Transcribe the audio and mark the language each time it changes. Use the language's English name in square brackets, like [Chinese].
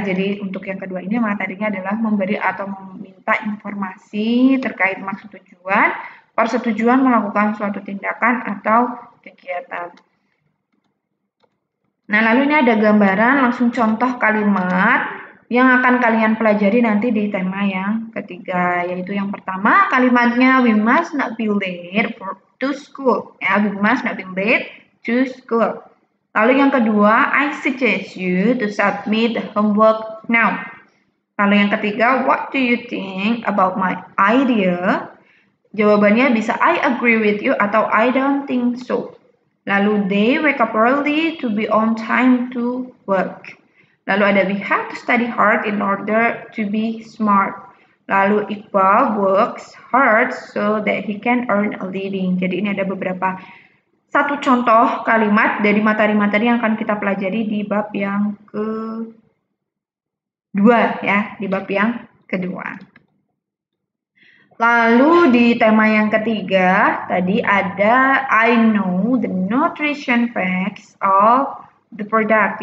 [Indonesian] Jadi untuk yang kedua ini materinya adalah memberi atau meminta informasi terkait maksud tujuan, persetujuan melakukan suatu tindakan atau kegiatan. Nah, lalu ini ada gambaran langsung contoh kalimat yang akan kalian pelajari nanti di tema yang ketiga, yaitu yang pertama kalimatnya [English] we must not be late for, to school. Ya, we must not be late to school. [Indonesian] Lalu yang kedua, [English] I suggest you to submit the homework now. [Indonesian] Lalu yang ketiga, [English] what do you think about my idea? [Indonesian] Jawabannya bisa [English] I agree with you [Indonesian] atau [English] I don't think so. Lalu they wake up early to be on time to work. Lalu ada we have to study hard in order to be smart. Lalu Iqbal works hard so that he can earn a living. [Indonesian] Jadi ini ada beberapa satu contoh kalimat dari materi-materi yang akan kita pelajari di bab yang kedua ya, di bab yang kedua. Lalu di tema yang ketiga tadi ada [English] I know the nutrition facts of the product.